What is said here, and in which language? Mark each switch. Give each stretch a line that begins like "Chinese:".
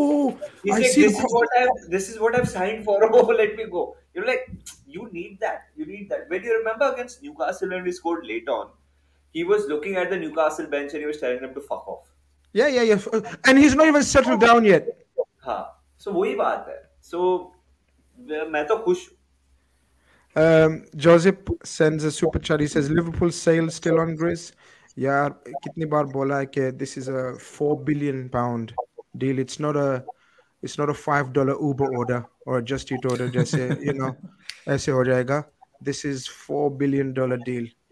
English: this is what I've signed for. Oh, let me go. You're like, you need that. You need that. When you remember against Newcastle when we scored late on, he was looking at the Newcastle bench and he was telling them to fuck off. Yeah. And he's not even settled down yet.
Hindi: So, वही बात है. So, मैं तो खुश हूँ.
English: Joseph sends a super chat. He says, Liverpool sale still on Grizz.
Hindi: Yaar, kitni baar bola hai ke
English: this is a £4 billion deal. It's not a $5 Uber order or a Just Eat order. Just say, you know,
Hindi: aise ho jayega.
English: This is $4 billion deal.